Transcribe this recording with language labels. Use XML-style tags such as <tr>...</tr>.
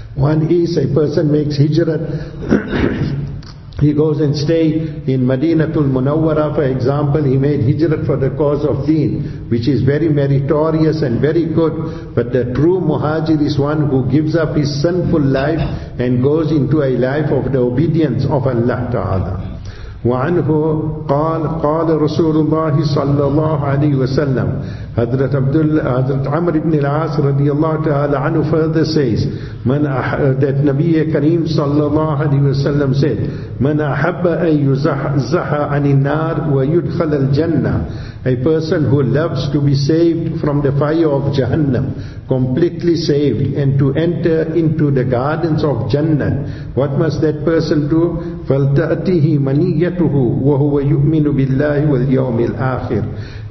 <en>One is a person makes hijrat, he goes and stay in Madinatul Munawwara, for example, he made hijrat for the cause of deen, which is very meritorious and very good. But the true muhajir is one who gives up his sinful life and goes into a life of the obedience of Allah Ta'ala.</en> <ar>وعنه قال قال رسول الله صلى الله عليه وسلم حضرت عبد الله حضرت عمرو بن العاص رضي الله تعالى عنه</ar> <en>further says</en> <ar>من</ar> <en>that</en> <ar>نبي كريم صلى الله عليه وسلم</ar> <en>said</en> <ar>من أحب أن يزح عن النار ويدخل الجنة.</ar> <en>A person who loves to be saved from the fire of Jahannam, completely saved, and to enter into the gardens of Jannah, what must that person do?</en> <ar>فَلْتَأْتِهِ مَنِيَّتُهُ وَهُوَ يُؤْمِنُ بِاللَّهِ وَالْيَوْمِ الْآخِرِ.</ar>